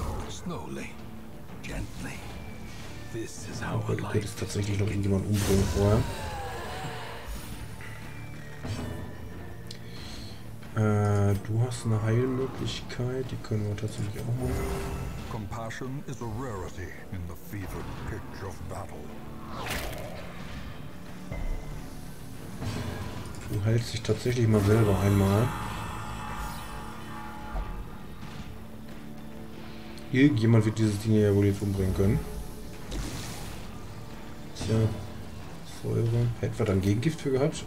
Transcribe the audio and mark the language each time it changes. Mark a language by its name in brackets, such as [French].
[English] Slowly, gently. This is how life. [German] Aber du könntest tatsächlich noch irgendjemanden umbringen vorher. Du hast eine Heilmöglichkeit, die können wir tatsächlich auch machen. [English] Compassion is a rarity in the fevered pitch of battle. [German] Du heilst dich tatsächlich mal selber einmal. Irgendjemand wird dieses Ding ja wohl jetzt umbringen können. Tja, Säure. Hätten wir dann Gegengift für gehabt?